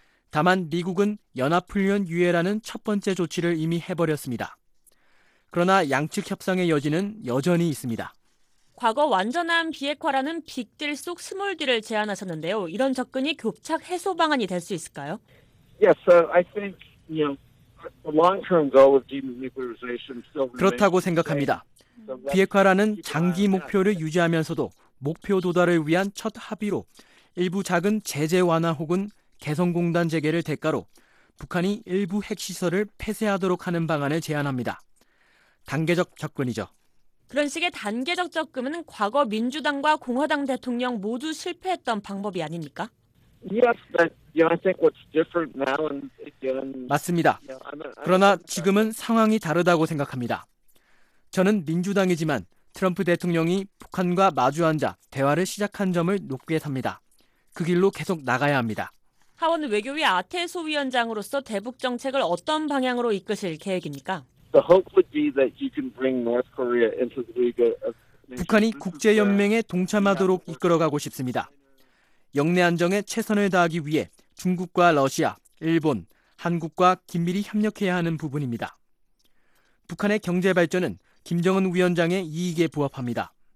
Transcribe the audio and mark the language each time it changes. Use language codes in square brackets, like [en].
[ko] 다만 미국은 연합훈련 유예라는 첫 번째 조치를 이미 해버렸습니다. 그러나 양측 협상의 여지는 여전히 있습니다. 과거 완전한 비핵화라는 빅딜 속 스몰딜을 제안하셨는데요. 이런 접근이 교착 해소 방안이 될 수 있을까요? [en] Yes, so I think the long-term goal of denuclearization still remains. [ko] 그렇다고 생각합니다. 비핵화라는 장기 목표를 유지하면서도 목표 도달을 위한 첫 합의로 일부 작은 제재 완화 혹은 개성공단 재개를 대가로 북한이 일부 핵 시설을 폐쇄하도록 하는 방안을 제안합니다. 단계적 접근이죠. 그런 식의 단계적 접근은 과거 민주당과 공화당 대통령 모두 실패했던 방법이 아닙니까? [en] Yes, but I think what's different now and again. [ko] 맞습니다. 그러나 지금은 상황이 다르다고 생각합니다. 저는 민주당이지만 트럼프 대통령이 북한과 마주앉아 대화를 시작한 점을 높게 삽니다. 그 길로 계속 나가야 합니다. 하원 외교위 아태소 위원장으로서 대북 정책을 어떤 방향으로 이끄실 계획입니까? [en] The hope would be that you can bring North Korea into the League of Nations. [ko] 북한이 국제연맹에 동참하도록 이끌어가고 싶습니다. 영내 안정에 최선을 다하기 위해 중국과 러시아, 일본, 한국과 긴밀히 협력해야 하는 부분입니다. 북한의 경제 발전은 김정은 위원장의 이익에 부합합니다.